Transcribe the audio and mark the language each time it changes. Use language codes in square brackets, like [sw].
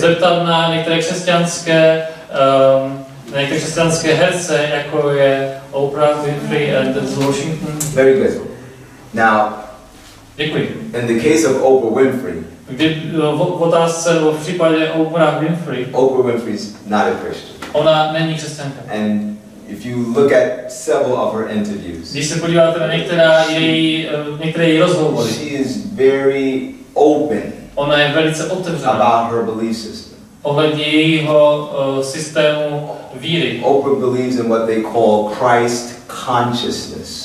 [cs] Zeptat na některé křesťanské nejkřesťanské herce, jako je Oprah Winfrey and Washington. [en] Very good. Now, [cs] děkuji. [en] In the case of Oprah Winfrey, [cs] v případě Oprah Winfrey, [en] Oprah Winfrey is not a Christian. [cs] Ona není křesťanka. [en] And if you look at several of her interviews, [cs] když se podíváte na některé její rozhovory, [en] she is very open. [cs] Ona je velice otevřená. [en] About her belief system. [cs] Ohledně jejího systému víry. [en] Oprah believes in what they call Christ consciousness.